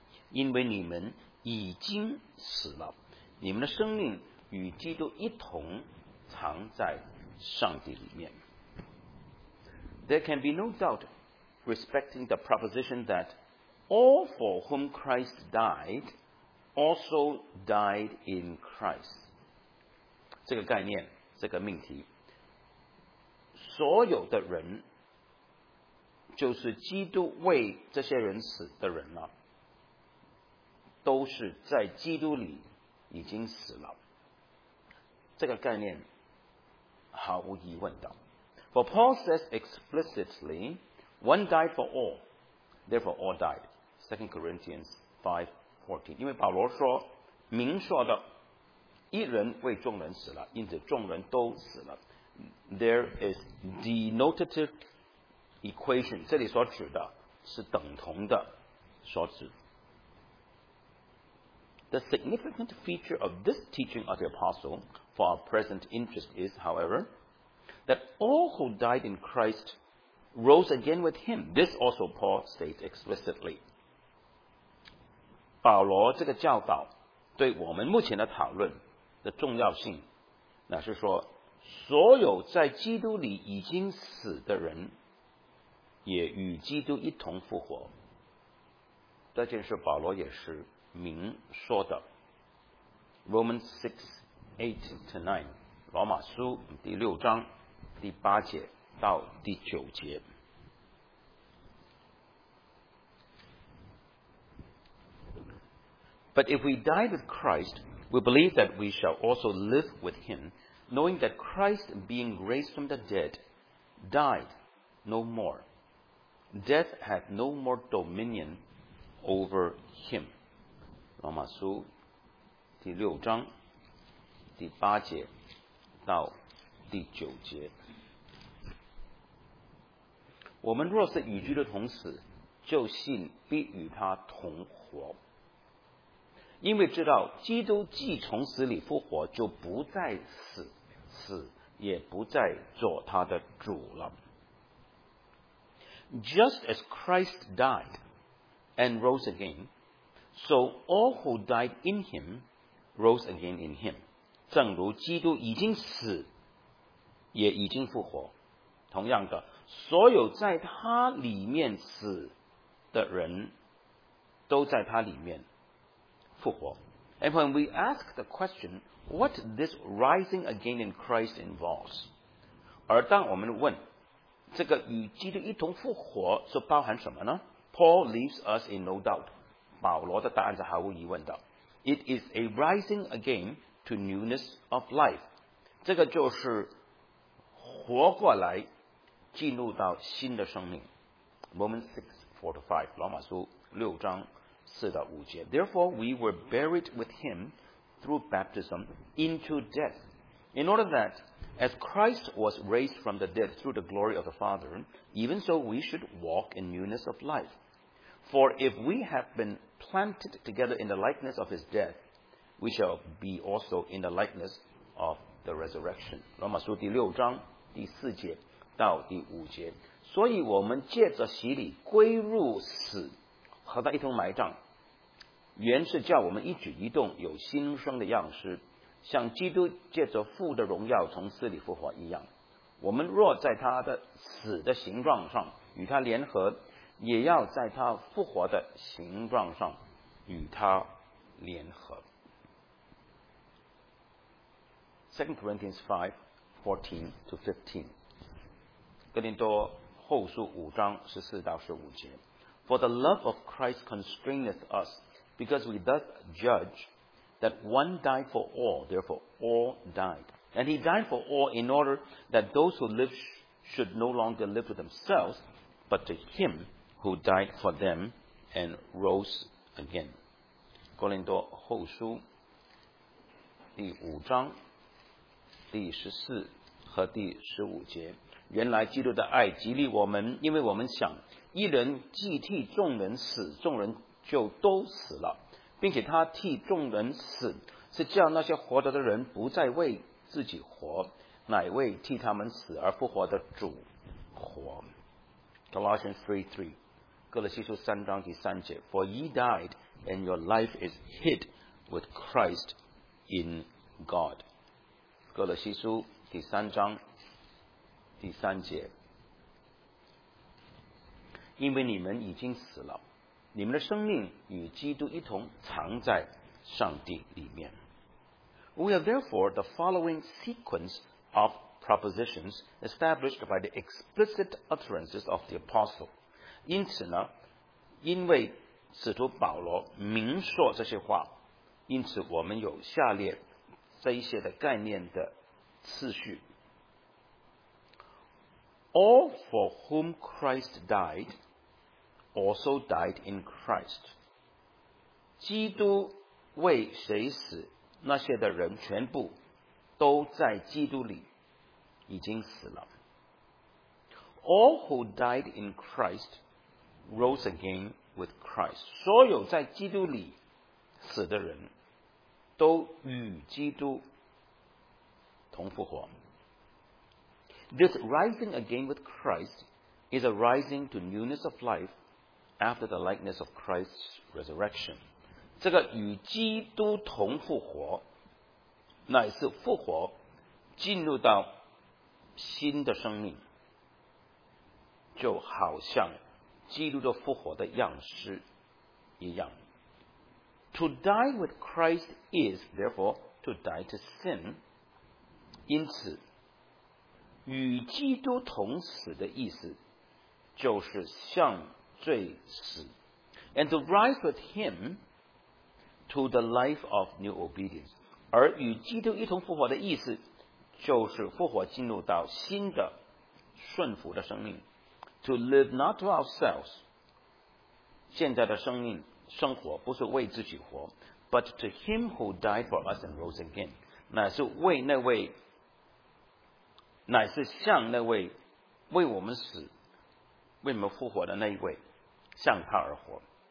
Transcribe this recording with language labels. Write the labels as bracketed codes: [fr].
[zh] 因为你们已经死了你们的生命与基督一同藏在上帝里面 [en] There can be no doubt respecting the proposition that all for whom Christ died also died in Christ [zh] 这个概念这个命题 所有的人, 就是基督为这些人死的人了、啊、都是在基督里已经死了。这个概念毫无疑问的。 [en] For Paul says explicitly, one died for all, therefore all died. 2 Corinthians 5:14. [zh] 因为保罗说明说的一人为众人死了，因此众人都死了。 [en] There is denotative equation, [zh] 这里所指的是等同的所指。 [en] The significant feature of this teaching of the apostle for our present interest is, however, that all who died in Christ rose again with him. This also Paul states explicitly. [zh] 保罗这个教导对我们目前的讨论的重要性，那是说所有在基督里已经死的人也与基督一同复活。这件事保罗也是明说的。Romans 6:8-9, 罗马书第六章第八节到第九节。 [en] But if we die with Christ, we believe that we shall also live with him, knowing that Christ, being raised from the dead, died no more. Death hath no more dominion over him. [zh] 罗马书第六章第八节到第九节。我们若是与基督同死，就信必与他同活。因为知道基督既从死里复活，就不再死，死也不再做他的主了。 [en] Just as Christ died and rose again, so all who died in him rose again in him. [zh] 正如基督已经死，也已经复活，同样的，所有在他里面死的人，都在他里面复活。 [en] And when we ask the question, what this rising again in Christ involves? [zh] 而当我们问这个与基督一同复活是包含什么呢？ [en] Paul leaves us in no doubt. [zh] 保罗的答案是毫无疑问的。 [en] It is a rising again to newness of life. [zh] 这个就是活过来进入到新的生命。 Romans 6:4-5, 罗马书六章四到五节。 [en] Therefore we were buried with him through baptism into death, in order that as Christ was raised from the dead through the glory of the Father, even so we should walk in newness of life. For if we have been planted together in the likeness of his death, we shall be also in the likeness of the resurrection. [zh] 罗马书第六章第四节到第五节。所以我们借着洗礼归入死，和他一同埋葬，原是叫我们一举一动有新生的样式，像基督借着父的荣耀从死里复活一样。我们若在他的死的形状上与他联合，也要在他复活的形状上与他联合。 2 Corinthians 5:14-15, 哥林多后书五章十四到十五节。 [en] For the love of Christ constraineth us, because we thus judge that one died for all, therefore all died. And he died for all in order that those who live should no longer live for themselves, but to him who died for them and rose again. [zh] 哥林多后书第五章第十四和第十五节。原来基督的爱激励我们，因为我们想一人既替众人死，众人就都死了，并且他替众人死是叫那些活着的人不再为自己活，乃为替他们死而复活的主活。 Colossians 3:3, 哥罗西书三章第三节。 [en] For ye died and your life is hid with Christ in God. [zh] 哥罗西书第三章第三节。因为你们已经死了，你们的生命与基督一同藏在上帝里面。 [en] We have therefore the following sequence of propositions established by the explicit utterances of the apostle. [zh] 因此呢，因为使徒保罗明说这些话，因此我们有下列这一些的概念的次序。 [en] All for whom Christ died also died in Christ， [zh] 基督为谁死，那些的人全部都在基督里已经死了。 [en] All who died in Christ rose again with Christ， [zh] 所有在基督里死的人都与基督同复活。 [en] This rising again with Christ is a rising to newness of life after the likeness of Christ's resurrection。 [zh] 这个与基督同复活乃是复活进入到新的生命，就好像基督的复活的样式一样。 [en] To die with Christ is therefore to die to sin， [zh] 因此与基督同死的意思就是向罪死。 [en] And to rise with him to the life of new obedience， [zh] 而与基督一同复活的意思就是复活进入到新的顺服的生命。 [en] To live not to ourselves， [zh] 现在的生命生活不是为自己活， [en] But to him who died for us and rose again， [zh] 乃是为那位，乃是向那位为我们死为我们复活的那一位向他而活。